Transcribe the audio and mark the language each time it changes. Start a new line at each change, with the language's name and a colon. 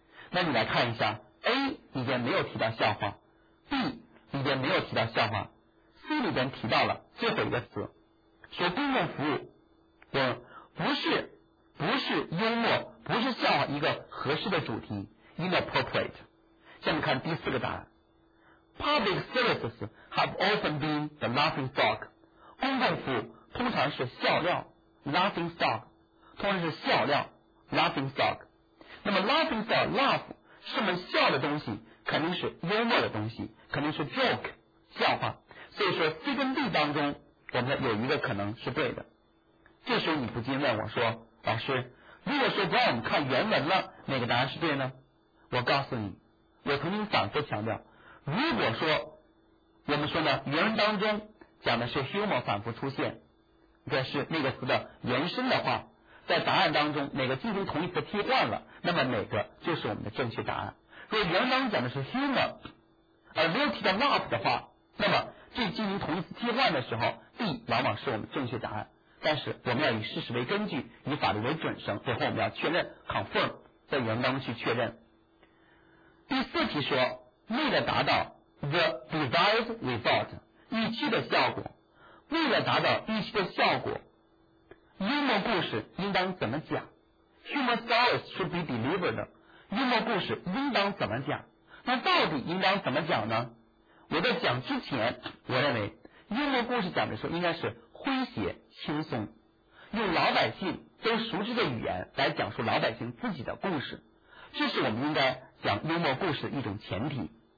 Chinese: 那你来看一下 A 里边没有提到笑话， B 里边没有提到笑话， C 里边提到了最后一个词，说公共服务，不是幽默，不是笑话一个合适的主题， inappropriate。下面看第四个答案，
English: public services have often been the laughing stock,
Chinese: 公共服务通常是笑料， laughing stock 通常是笑料， laughing stock。那么 laughing stock, laugh 是我们笑的东西，肯定是幽默的东西，肯定是 joke 笑话。所以说 C 跟 D 当中我们有一个可能是对的。这时候你不禁问我说，老师，如果说不让我们看原文了，哪个答案是对呢？我告诉你，我曾经反复强调，如果说我们说呢，原文当中讲的是 humor 反复出现，这是那个词的延伸的话，在答案当中哪个进行同义词替换了，那么哪个就是我们的正确答案。如果原文当中讲的是 humor 而没有提到 laugh 的话，那么这进行同义词替换的时候 D 往往是我们正确答案。但是我们要以事实为根据，以法律为准绳，最后我们要确认 confirm 在原文当中去确认。第四题说，为了达到
English: the desired result
Chinese: 预期的效果，为了达到预期的效果，幽默故事应当怎么讲？
English: Humor stories should be delivered,
Chinese: 幽默故事应当怎么讲？那到底应当怎么讲呢？我在讲之前，我认为幽默故事讲的时候应该是诙谐轻松，用老百姓都熟知的语言来讲述老百姓自己的故事，这是我们应该讲幽默故事的一种前提。